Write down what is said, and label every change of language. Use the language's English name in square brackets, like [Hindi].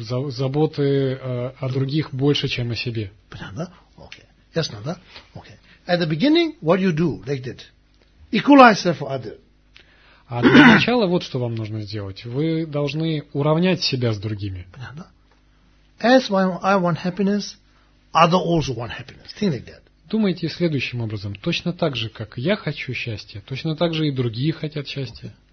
[Russian] Заботы о других больше, чем о себе. Понятно, да? Okay. Ясно, да? Okay. [English] At the beginning, what you do like that? Equalize self for other. [Russian] А для начала вот что вам нужно сделать. Вы должны уравнять себя с другими. [English] Понятно? As I want happiness, other also want happiness. Think like that. [Russian] Думайте следующим образом. Точно так же, как я хочу счастья, точно так же и другие хотят счастья.